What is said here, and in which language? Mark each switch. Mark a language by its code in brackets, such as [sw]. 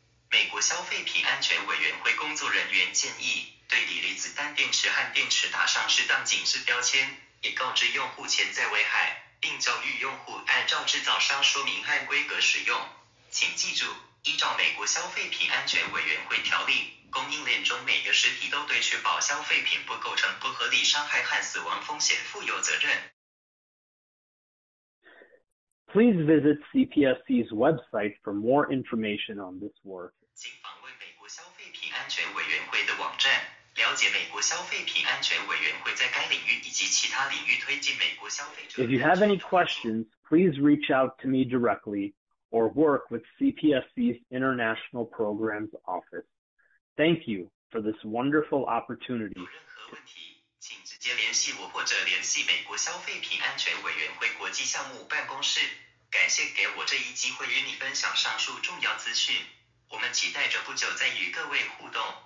[zh] 美国消费品安全委员会工作人员建议，对锂离子单电池和电池打上适当警示标签，也告知用户潜在危害，并教育用户按照制造商说明和规格使用。请记住，依照美国消费品安全委员会条例，供应链中每个实体都对确保消费品不构成不合理伤害和死亡风险负有责任。 [en] Please visit CPSC's website for more information on this work. [zh] 请访问美国消费品安全委员会的网站，了解美国消费品安全委员会在该领域以及其他领域推进美国消费者。 [en] If you have any questions, please reach out to me directly or work with CPSC's International Programs Office. Thank you for this wonderful opportunity. [zh] 请直接联系我或者联系美国消费品安全委员会国际项目办公室。感谢给我这一机会与你分享上述重要资讯。我们期待着不久再与各位互动。